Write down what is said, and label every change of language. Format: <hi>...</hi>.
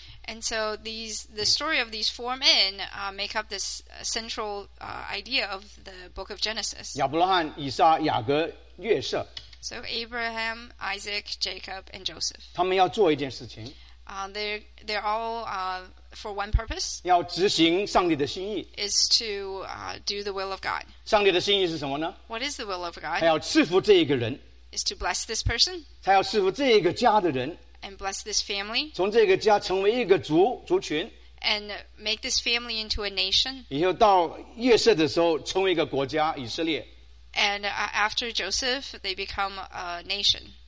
<en>And so the story of these four men make up this central idea of the book of Genesis.</en> <zh>亚伯拉罕, 以撒, 雅各, 约瑟.</zh> <en>So Abraham, Isaac, Jacob, and Joseph.</en> <zh>他们要做一件事情.</zh> <en>They're all for one purpose.</en> <zh>要执行上帝的心意.</zh> <en>Is to do the will of God.</en> <zh>上帝的心意是什么呢?</zh> <en>What is the will of God?</en> <zh>他要赐福这一个人.</zh> <en>Is to bless this person.</en> <zh>他要赐福这一个家的人.</zh> <en>And bless this family.</en> <zh>从这个家成为一个族群.</zh> <en>And make this family into a nation.</en> <zh>以后到约瑟的时候成为一个国家, 以色列.</zh> <en>And after Joseph, they become a nation.</en>